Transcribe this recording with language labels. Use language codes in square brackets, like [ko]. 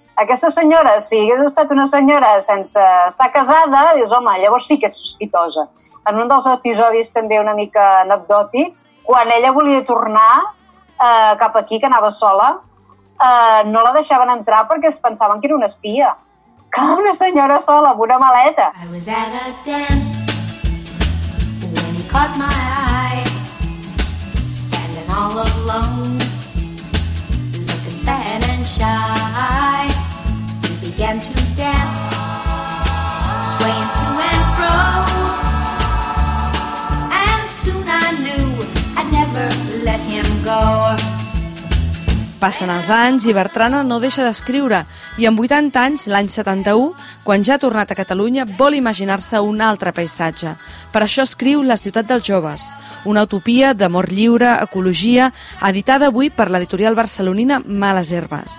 [ca] Aquesta senyora, si hagués estat una senyora sense estar casada, dius, home, llavors sí que és sospitosa. En un dels episodis també una mica anecdòtics, quan ella volia tornar cap aquí, que anava sola, no la deixaven entrar perquè es pensaven que era una espia. Com una senyora sola, amb una maleta. [en] I was at a dance when he caught my eye, standing all alone, looking sad and shy. He began to dance, swaying to and fro, and soon I knew I'd never let him go. [ca] Passen els anys i Bertrana no deixa d'escriure i amb 80 anys, l'any 71, quan ja ha tornat a Catalunya, vol imaginar-se un altre paisatge. Per això escriu La ciutat dels joves, una utopia d'amor lliure, ecologia, editada avui per l'editorial barcelonina Males Herbes.